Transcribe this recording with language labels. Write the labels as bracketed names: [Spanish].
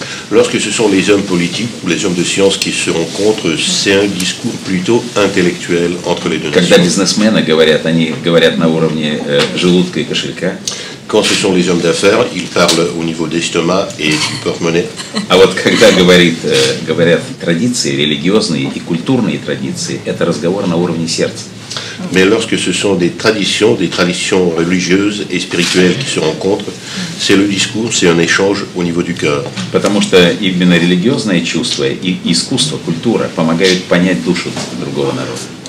[French] Lorsque ce sont les hommes politiques ou les hommes de science qui se rencontrent, c'est un discours plutôt intellectuel entre les deux nations. [Russian] Когда бизнесмены говорят, они говорят на уровне желудка и кошелька. [French] Quand ce sont les hommes d'affaires, ils parlent au niveau d'estomac et du porte-monnaie. [Russian] А вот когда говорят традиции религиозные и культурные традиции, это разговор на уровне сердца. [French] Mais lorsque ce sont des traditions religieuses et spirituelles qui se rencontrent, c'est le discours, c'est un échange au niveau du cœur. [Russian] Потому что именно религиозные чувства и искусство, культура помогают понять душу другого народа.